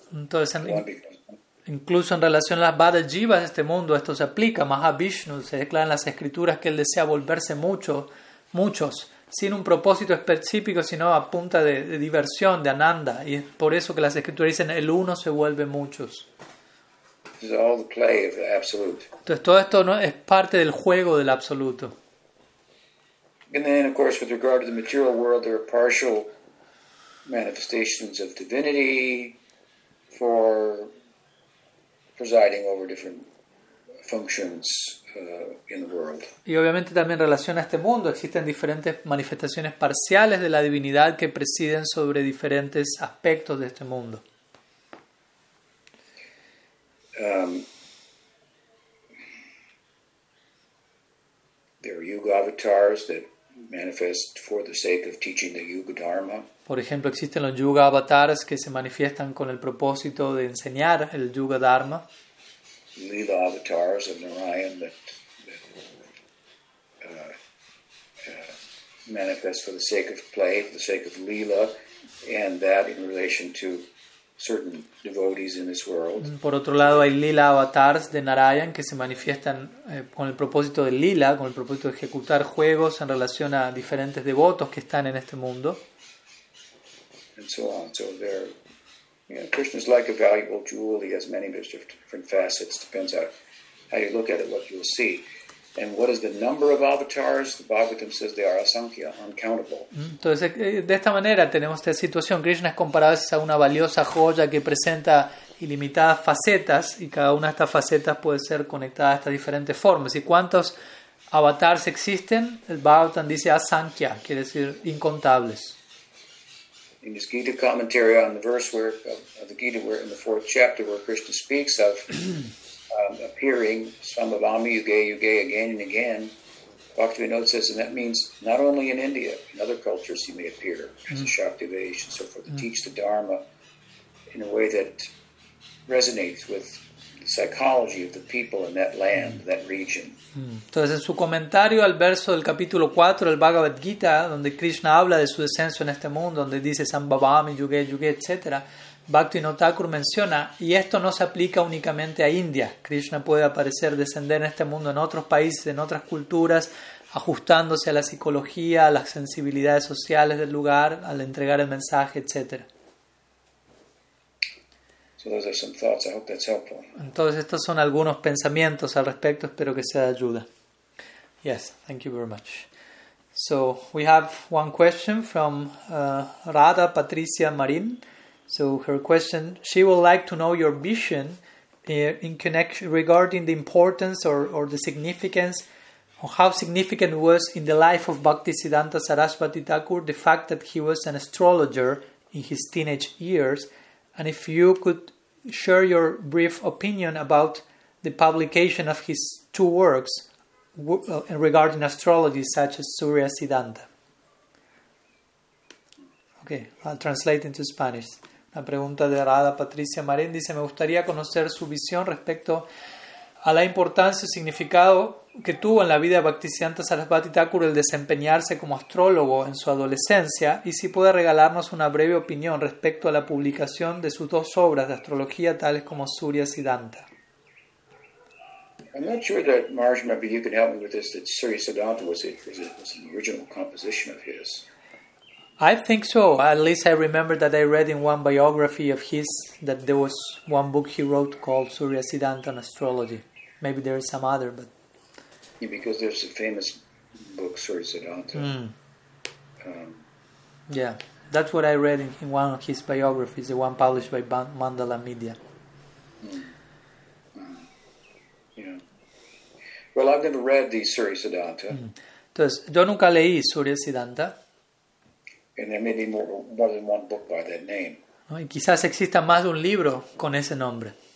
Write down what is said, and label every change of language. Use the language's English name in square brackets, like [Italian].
[Spanish] Entonces, incluso en relación a las Vada Jivas de este mundo, esto se aplica. Mahavishnu se declara en las escrituras que él desea volverse muchos, sin un propósito específico, sino a punta de diversión, de ananda. Y es por eso que las escrituras dicen, el uno se vuelve muchos. [English] This is all the play of the Absolute. [Spanish] Entonces todo esto, ¿no?, es parte del juego del Absoluto. [English] Y then, of course, with regard to the material world, there are partial manifestations of divinity for presiding over different functions in the world. [Spanish] Y obviamente también en relación a este mundo existen diferentes manifestaciones parciales de la divinidad que presiden sobre diferentes aspectos de este mundo. [English] There are yuga avatars that manifest for the sake of teaching the yuga dharma. [Spanish] Por ejemplo, existen los yuga avatars que se manifiestan con el propósito de enseñar el yuga dharma. [English] Lila avatars of Narayan that manifest for the sake of play, for the sake of Lila, and that in relation to certain devotees in this world. [Spanish] Por otro lado, hay Lila avatars de Narayan que se manifiestan con el propósito de Lila, con el propósito de ejecutar juegos en relación a diferentes devotos que están en este mundo. [English] And so on. So there. You know, Krishna is like a valuable jewel. He has many different facets. Depends on how you look at it, what you'll see. And what is the number of avatars? The Bhagavatam says they are asankhya, uncountable. [Spanish] Entonces, de esta manera tenemos esta situación. Krishna es comparado a una valiosa joya que presenta ilimitadas facetas, y cada una de estas facetas puede ser conectada a estas diferentes formas. ¿Y cuántos avatars existen? El Bhagavatam dice asankhya, quiere decir incontables. [English] In this Gita commentary on the verse where of the Gita, where in the fourth chapter where Krishna speaks of appearing some of Amayuge again and again, Bhaktivinoda says, and that means not only in India, in other cultures he may appear as a Shaktivesh and so forth, to teach the Dharma in a way that resonates with the psychology of the people in that land, that region. [Spanish] Entonces, en su comentario al verso del capítulo 4 del Bhagavad Gita, donde Krishna habla de su descenso en este mundo, donde dice Sambhavami, Yuge, Yuge, etc., Bhaktivinoda Thakur menciona, y esto no se aplica únicamente a India. Krishna puede aparecer, descender en este mundo en otros países, en otras culturas, ajustándose a la psicología, a las sensibilidades sociales del lugar, al entregar el mensaje, etc. [English] So those are some thoughts. I hope that's helpful. [Spanish] Entonces, estos son algunos pensamientos al respecto. Espero que sea de ayuda. [English] Yes, thank you very much. So, we have one question from Radha Patricia Marin. So, her question, she would like to know your vision in connection regarding the importance or the significance, or how significant was in the life of Bhaktisiddhanta Sarasvati Thakur the fact that he was an astrologer in his teenage years. And if you could share your brief opinion about the publication of his two works regarding astrology, such as Surya Siddhanta. Okay, I'll translate into Spanish. [Spanish] La pregunta de Radha Patricia Marín dice, me gustaría conocer su visión respecto a la importancia y significado que tuvo en la vida de Bhaktisiddhanta Sarasvati Thakur el desempeñarse como astrólogo en su adolescencia, y si puede regalarnos una breve opinión respecto a la publicación de sus dos obras de astrología, tales como Surya Siddhanta. [English] I'm not sure that, Marge, maybe you can help me with this, that Surya Siddhanta was an original composition of his. I think so. At least I remember that I read in one biography of his that there was one book he wrote called Surya Siddhanta on astrology. Maybe there is some other, but... Yeah, because there's a famous book, Surya Siddhanta. Mm. Yeah, that's what I read in one of his biographies, the one published by Mandala Media. Yeah. Well, I've never read the Surya Siddhanta. Mm. [Spanish] Entonces, yo nunca leí Surya Siddhanta. [English] And there may be more than one book by that name. [Spanish] No, y quizás exista más de un libro con ese nombre.